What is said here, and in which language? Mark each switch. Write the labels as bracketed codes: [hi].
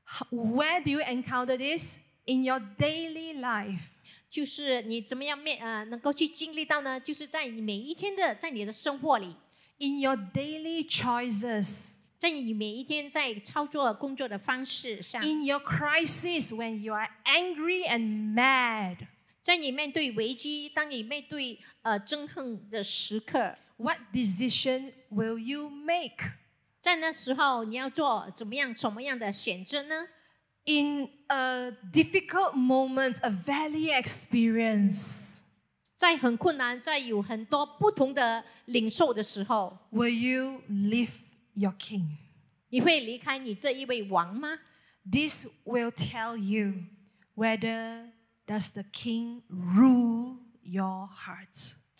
[en] Where do you encounter this in your daily life? [zh] 就是你怎么样能够去经历到呢？就是在你每一天的，在你的生活里。 [en] In your daily choices. [zh] 在你每一天在操作工作的方式上。 [en] In your crisis when you are angry and mad. [zh] 在你面对危机，当你面对憎恨的时刻。 [en] What decision will you make? [zh] 在那时候你要做怎么样，什么样的选择呢？ [en] In a difficult moment, a valley experience, [zh] 在很困难，在有很多不同的领受的时候, [en] will you leave your king? [zh] 你会离开你这一位王吗? [en] This will tell you whether does the king rule your heart.